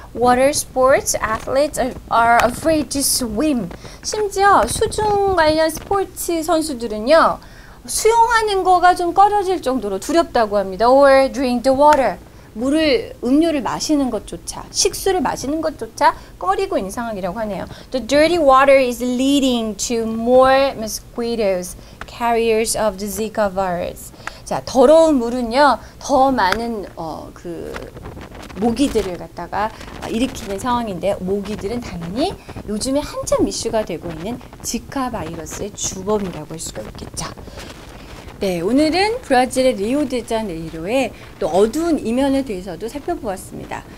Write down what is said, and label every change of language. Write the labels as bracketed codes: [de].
[en] Water sports athletes are afraid to swim. [ko] 심지어 수중 관련 스포츠 선수들은요, 수영하는 거가 좀 꺼려질 정도로 두렵다고 합니다. [en] Or drink the water. [ko] 물을, 음료를 마시는 것조차, 식수를 마시는 것조차 꺼리고 있는 상황이라고 하네요. [en] The dirty water is leading to more mosquitoes, carriers of the Zika virus. [ko] 자, 더러운 물은요, 더 많은 그 모기들을 갖다가 일으키는 상황인데 모기들은 당연히 요즘에 한참 이슈가 되고 있는 지카 바이러스의 주범이라고 할 수가 있겠죠. 네, 오늘은 브라질의 리오데자네이로의 또 어두운 이면에 대해서도 살펴보았습니다.